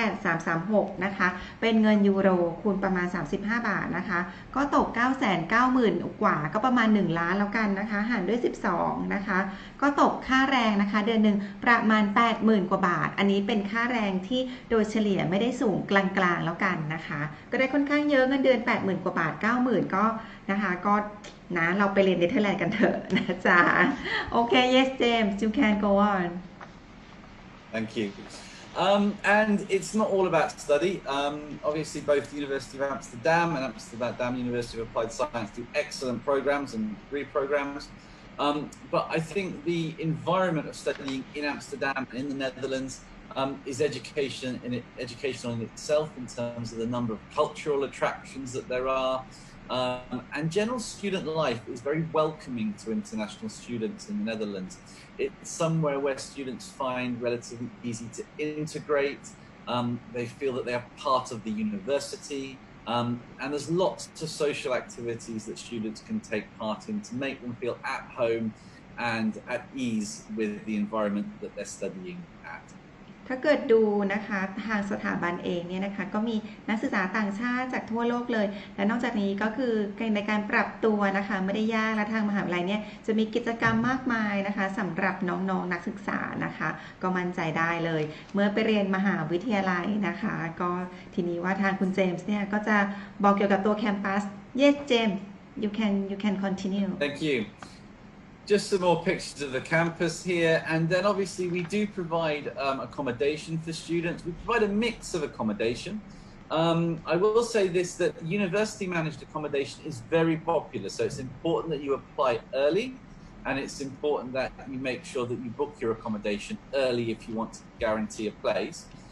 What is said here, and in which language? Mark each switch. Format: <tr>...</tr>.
<th>28336นะคะเป็นเงินยูโรคูณประมาณ35บาทนะคะก็ตก 990,000 กว่าก็ประมาณ1ล้านแล้วกันนะคะหารด้วย12นะคะก็ตกค่าแรงนะคะเดือนหนึ่งประมาณ 80,000 กว่าบาทอันนี้เป็นค่าแรงที่โดยเฉลี่ยไม่ได้สูงกลางๆแล้วกันนะคะก็ได้ค่อนข้างเยอะเงินเดือน 80,000 กว่าบาท 90,000 ก็นะคะก็นะเราไปเรียนเนเธอร์แลนด์กันเถอะนะจ๊ะโอเค</th> <en>yes James you can go on Thank you. And it's not all about study. Obviously, both the University of Amsterdam and Amsterdam University of Applied Science do excellent programs and degree programs. But I think the environment of studying in Amsterdam and in the Netherlands is educational in itself in terms of the number of cultural attractions that there are. And general student life is very welcoming to international students in the Netherlands. It's somewhere where students find relatively easy to integrate. They feel that they are part of the university. And there's lots of social activities that students can take part in to make them feel at home and at ease with the environment that they're studying at.</en> <th>ถ้าเกิดดูนะคะทางสถาบันเองเนี่ยนะคะก็มีนักศึกษาต่างชาติจากทั่วโลกเลยและนอกจากนี้ก็คือในการปรับตัวนะคะไม่ได้ยากและทางมหาวิทยาลัยเนี่ยจะมีกิจกรรมมากมายนะคะสำหรับน้องๆ นักศึกษานะคะก็มั่นใจได้เลยเมื่อไปเรียนมหาวิทยาลัยนะคะก็ทีนี้ว่าทางคุณเจมส์เนี่ยก็จะบอกเกี่ยวกับตัวแคมปัส</th> <en>yes James you can continue thank youJust some more pictures of the campus here. And then obviously we do provide accommodation for students. We provide a mix of accommodation. I will say this, that university managed accommodation is very popular. So it's important that you apply early and it's important that you make sure that you book your accommodation early if you want to guarantee a place.</en>